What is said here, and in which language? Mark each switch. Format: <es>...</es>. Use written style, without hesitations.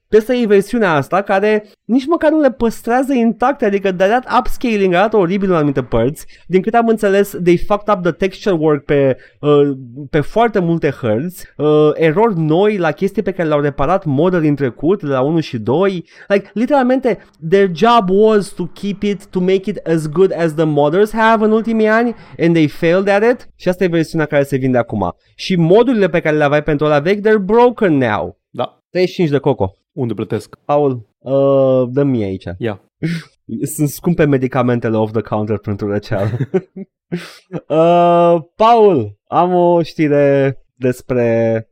<ro>Trebuie să iei versiunea asta care nici măcar nu le păstrează intacte, adică de-a dat upscaling, a dat oribil în anumite părți. Din câte am înțeles,</ro> <en>they fucked up the texture work</en> <ro>pe foarte multe hărți, erori noi la chestii pe care le-au reparat modeli în trecut, de la 1 și 2.</ro> <en>Like, literalmente, their job was to keep it, to make it as good as the modders have</en> <ro>în ultimii ani,</ro> <en>and they failed at it.</en> <ro>Și asta e versiunea care se vinde acum. Și modurile pe care le aveai pentru ăla vechi,</ro> <en>they're broken now.</en> <ro>Da. 35 de coco. Unde plătesc? Paul, dă-mi aici. Ia. Yeah. Sunt scumpe medicamentele off-the-counter pentru răceală. Paul, am o știre despre...</ro>